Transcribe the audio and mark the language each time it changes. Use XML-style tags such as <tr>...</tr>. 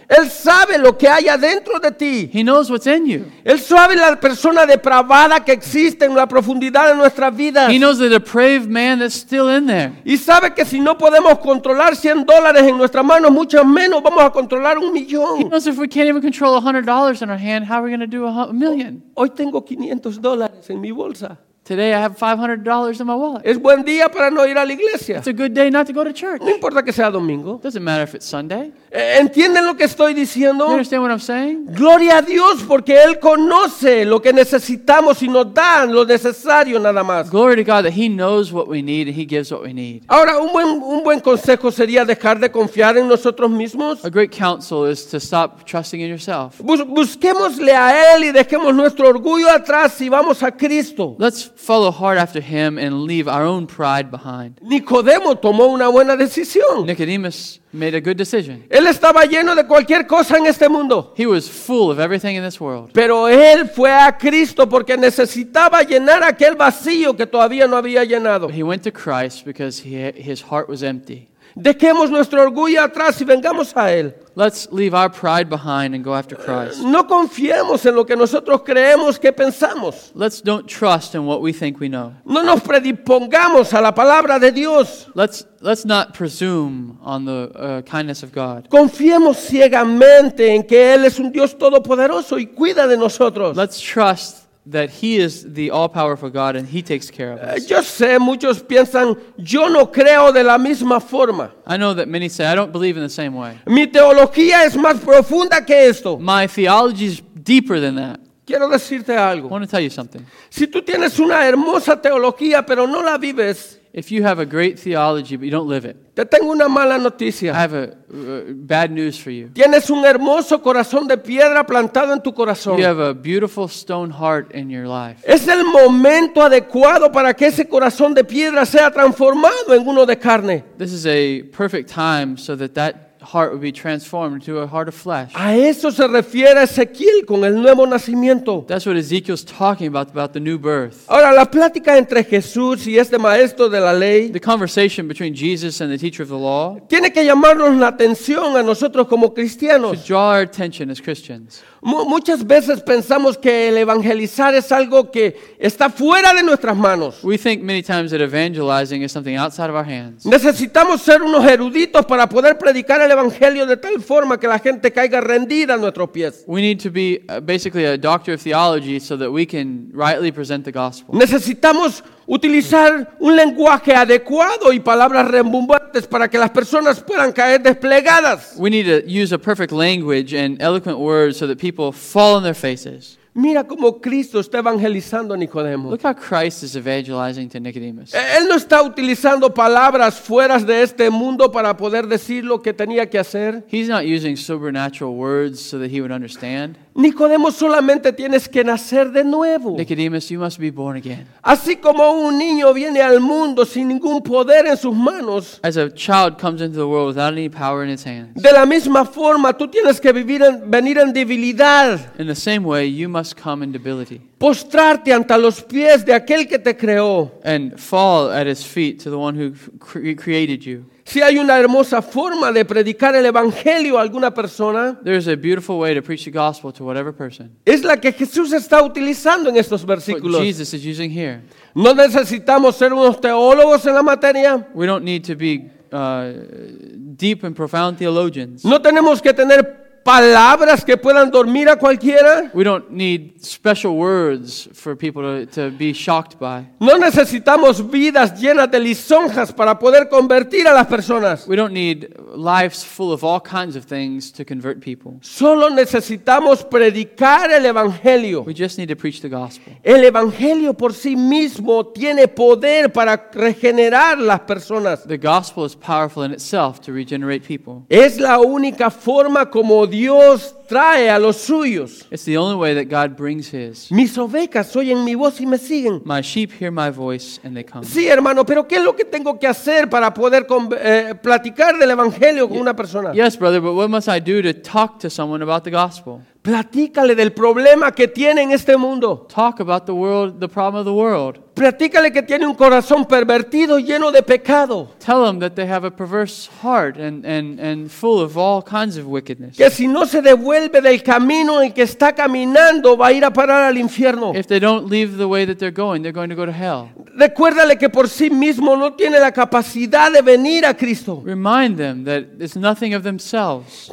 <es>Él sabe lo que hay adentro de ti.</es> <en>He knows what's in you.</en> <es>Él sabe la persona depravada que existe en la profundidad de nuestras vidas.</es> <en>He knows the depraved man that's still in there.</en> <es>Y sabe que si no podemos controlar $100 en nuestras manos, mucho menos vamos a controlar un millón.</es> <en>He knows if we can't even control $100 in our hand, how are we going to do a million?</en> <es>Hoy tengo $500 en mi bolsa.</es> <en>Today I have $500 in my wallet.</en> <es>Es buen día para no ir a la iglesia.</es> <en>It's a good day not to go to church.</en> <es>No importa que sea domingo.</es> <en>Doesn't matter if it's Sunday.</en> <es>¿Entienden lo que estoy diciendo?</es> <en>You understand what I'm saying?</en> <es>Gloria a Dios porque Él conoce lo que necesitamos y nos da lo necesario nada más.</es> <en>Glory to God that He knows what we need and He gives what we need.</en> <es>Ahora, un buen consejo sería dejar de confiar en nosotros mismos.</es> <en>A great counsel is to stop trusting in yourself.</en> <es>Busquémosle a Él y dejemos nuestro orgullo atrás y vamos a Cristo.</es> <en>Follow hard after Him and leave our own pride behind.</en> <es>Nicodemo tomó una buena decisión.</es> <en>Nicodemus made a good decision.</en> <es>Él estaba lleno de cualquier cosa en este mundo.</es> <en>He was full of everything in this world.</en> <es>Pero él fue a Cristo porque necesitaba llenar aquel vacío que todavía no había llenado.</es> <en>He went to Christ because his heart was empty.</en> <es>Dejemos nuestro orgullo atrás y vengamos a Él.</es> <en>Let's leave our pride behind and go after Christ.</en> <es>No confiemos en lo que nosotros creemos que pensamos.</es> <en>Let's don't trust in what we think we know.</en> <es>No nos predispongamos a la palabra de Dios.</es> <en>Let's not presume on the kindness of God.</en> <es>Confiemos ciegamente en que Él es un Dios todopoderoso y cuida de nosotros.</es> <en>Let's trust that He is the all-powerful God and He takes care of us.</en> <es>Yo sé, muchos piensan, yo no creo de la misma forma.</es> <en>I know that many say, I don't believe in the same way.</en> <es>Mi teología es más profunda que esto.</es> <en>My theology is deeper than that.</en> <es>Quiero decirte algo.</es> <en>I want to tell you something.</en> <es>Si tú tienes una hermosa teología, pero no la vives,</es> <en>if you have a great theology, but you don't live it,</en> <es>te tengo una mala noticia.</es> <en>I have bad news for you.</en> <es>Tienes un hermoso corazón de piedra plantado en tu corazón.</es> <en>You have a beautiful stone heart in your life.</en> <es>Es el momento adecuado para que ese corazón de piedra sea transformado en uno de carne.</es> <en>This is a perfect time so that heart would be transformed into a heart of flesh.</en> <es>A eso se refiere Ezequiel con el nuevo nacimiento.</es> <en>That's what Ezekiel's talking about the new birth.</en> <es>Ahora, la plática entre Jesús y este maestro de la ley,</es> <en>the conversation between Jesus and the teacher of the law,</en> <es>tiene que llamarnos la atención a nosotros como cristianos.</es> <en>Should draw our attention as Christians.</en> <es>Muchas veces pensamos que el evangelizar es algo que está fuera de nuestras manos.</es> <en>We think many times that evangelizing is something outside of our hands.</en> <es>Necesitamos ser unos eruditos para poder predicar el evangelio de tal forma que la gente caiga rendida a nuestros pies.</es> <en>We need to be basically a doctor of theology so that we can rightly present the gospel.</en> <es>Necesitamos utilizar un lenguaje adecuado y palabras rimbombantes para que las personas puedan caer desplegadas.</es> <en>We need to use a perfect language and eloquent words so that people fall on their faces.</en> <es>Mira cómo Cristo está evangelizando a Nicodemo.</es> <en>Look how Christ is evangelizing to Nicodemus.</en> <es>Él no está utilizando palabras fuera de este mundo para poder decir lo que tenía que hacer.</es> <en>He's not using supernatural words so that he would understand.</en> <es>Nicodemus, solamente tienes que nacer de nuevo.</es> <en>Nicodemus, you must be born again.</en> <es>Así como un niño viene al mundo sin ningún poder en sus manos.</es> <en>As a child comes into the world without any power in his hands.</en> <es>De la misma forma, tú tienes que venir en debilidad.</es> <en>In the same way, you must come in debility.</en> <es>Postrarte ante los pies de aquel que te creó.</es> <en>And fall at his feet to the one who created you.</en> <es>Si hay una hermosa forma de predicar el evangelio a alguna persona,</es> <en>there's a beautiful way to preach the gospel to whatever person.</en> <es>Es la que Jesús está utilizando en estos versículos.</es> <en>What Jesus is using here.</en> <es>No necesitamos ser unos teólogos en la materia.</es> <en>We don't need to be deep and profound theologians.</en> <es>No tenemos que tener palabras que puedan dormir a cualquiera.</es> <en>We don't need special words for people to be shocked by.</en> <es>No necesitamos vidas llenas de lisonjas para poder convertir a las personas.</es> <en>We don't need lives full of all kinds of things to convert people.</en> <es>Solo necesitamos predicar el evangelio.</es> <en>We just need to preach the gospel.</en> <es>El evangelio por sí mismo tiene poder para regenerar las personas.</es> <en>The gospel is powerful in itself to regenerate people.</en> <es>Es la única forma como Dios trae a los suyos.</es> <en>It's the only way that God brings his.</en> <es>Mis ovejas oyen mi voz y me siguen.</es> <en>My sheep hear my voice and they come.</en> <es>Sí, hermano, pero ¿qué es lo que tengo que hacer para poder platicar del evangelio con una persona?</es> <en>Yes, brother, but what must I do to talk to someone about the gospel?</en> <es>Platícale del problema que tiene en este mundo.</es> <en>Talk about the world, the problem of the world.</en> <es>Platícale que tiene un corazón pervertido lleno de pecado.</es> <en>Tell them that they have a perverse heart and full of all kinds of wickedness.</en> <es>Que si no se devuelve del camino en que está caminando, va a ir a parar al infierno.</es> <en>If they don't leave the way that they're going, they're going to go to hell.</en> <es>Recuérdale que por sí mismo no tiene la capacidad de venir a Cristo.</es> <en>Remind them that it's nothing of themselves.</en>